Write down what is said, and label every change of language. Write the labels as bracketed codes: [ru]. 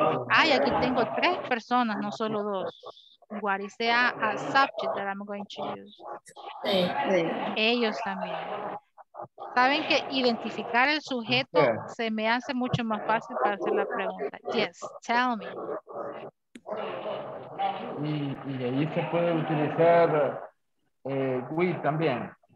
[es] Ay, aquí tengo tres personas, no solo dos. [en] What is the subject that I'm going to use? They. [es] Ellos también. ¿Saben que identificar el sujeto se me hace mucho más fácil para hacer la pregunta? [en] Yes, tell me. [es] Y ahí se puede utilizar we también.